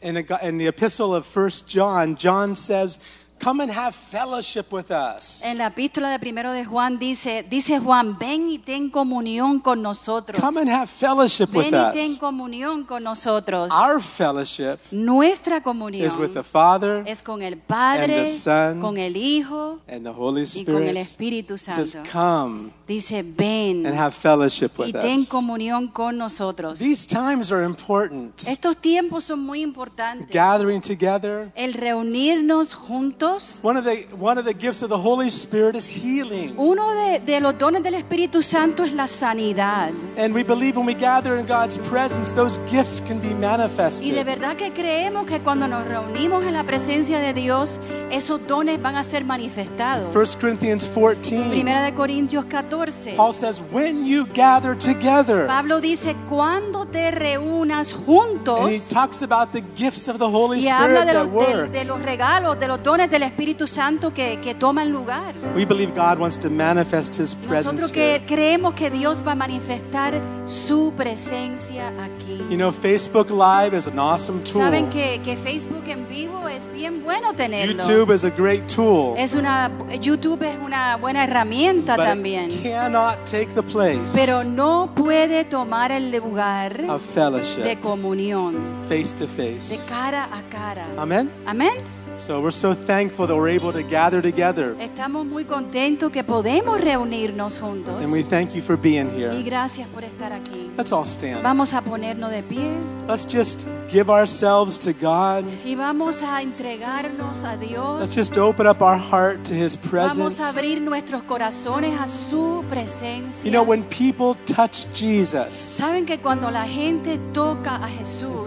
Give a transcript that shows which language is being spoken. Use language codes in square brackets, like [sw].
[en] In the epistle of 1 John, John says, come and have fellowship with us. [es] En la epístola de primero de Juan dice Juan, ven y ten comunión con nosotros. [en] Come and have fellowship [es] ven [en] with us. [es] Ven y ten comunión con nosotros. [en] Our fellowship, [es] nuestra comunión, [en] is with the Father, [es] es con el Padre, [en] and the Son, [es] con el Hijo, [en] and the Holy Spirit, [es] y con el Espíritu Santo. [en] Says, come, [es] dice ven, [en] and have fellowship with [es] y ten [en] us. [es] Comunión con nosotros. [en] These times are important. [es] Estos tiempos son muy importantes. [en] Gathering together, [es] el reunirnos juntos. [en] One of the gifts of the Holy Spirit is healing. [es] Uno de los dones del Espíritu Santo es la sanidad. [en] And we believe when we gather in God's presence, those gifts can be manifested. [es] Y de verdad que creemos que cuando nos reunimos en la presencia de Dios, esos dones van a ser manifestados. [en] 1 Corinthians 14. [es] Primera de Corintios 14. [en] Paul says, "When you gather together." [es] Pablo dice, "Cuando te reúnas juntos." [en] And he talks about the gifts of the Holy [es] y habla de [en] that work. [es] De los regalos de los dones del Espíritu Santo que toman lugar. [en] We believe God wants to manifest his presence. [es] Nosotros que [en] here. [es] Creemos que Dios va a manifestar su presencia aquí. [en] You know, Facebook Live is an awesome tool. [es] Saben que Facebook en vivo es bien bueno tenerlo. [en] YouTube is a great tool. [es] YouTube es una buena herramienta [en] but [es] también. [en] But cannot take the place. [es] Pero no puede tomar el lugar [en] of fellowship. [es] De comunión. [en] Face to face. [es] De cara a cara. [en] Amen. [es] Amen. [en] So we're so thankful that we're able to gather together. [es] Estamos muy contentos que podemos reunirnos juntos. [en] And we thank you for being here. [es] Y gracias por estar aquí. [en] Let's all stand. [es] Vamos a ponernos de pie. [en] Let's just give ourselves to God. [es] Y vamos a entregarnos a Dios. [en] Let's just open up our heart to his presence. [es] Vamos a abrir nuestros corazones a su presencia. [en] You know, when people touch Jesus, [es] saben que cuando la gente toca a Jesús,